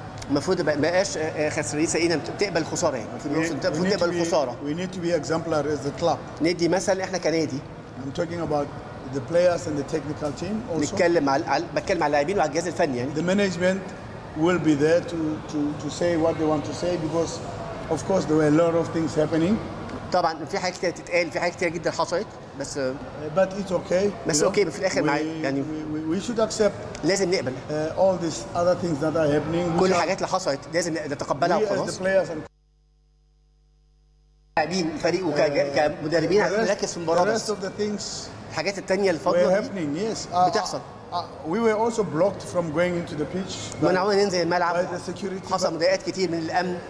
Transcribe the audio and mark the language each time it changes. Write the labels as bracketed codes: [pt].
[ar] المفروض ما بقاش خسرانين سيئين بتقبل خساره المفروض تقبل الخساره. [en] We need to be exemplar as the club. [ar] ندي مثل احنا كنادي. [en] I'm talking about the players and the technical team also. [ar] نتكلم على بتكلم على اللاعبين وعلى الجهاز الفني يعني. [en] The management will be there to say what they want to say because of course there were a lot of things happening. [ar] طبعا في حاجات كتير تتقال في حاجات كتير جدا حصلت بس [en] but it's okay [ar] بس اوكي okay, في الاخر معايا يعني [en] we should accept [ar] لازم نقبل [en] all these other things that are happening [ar] كل الحاجات اللي حصلت لازم نتقبلها وخلاص. لاعبين فريق كمدربين عايزين نركز في المباراه بس الحاجات التانيه اللي فاضله [en] yes. [ar] بتحصل [en] we were also blocked from going into the pitch [ar] من عاوز ننزل الملعب حصل مضايقات كتير من الامن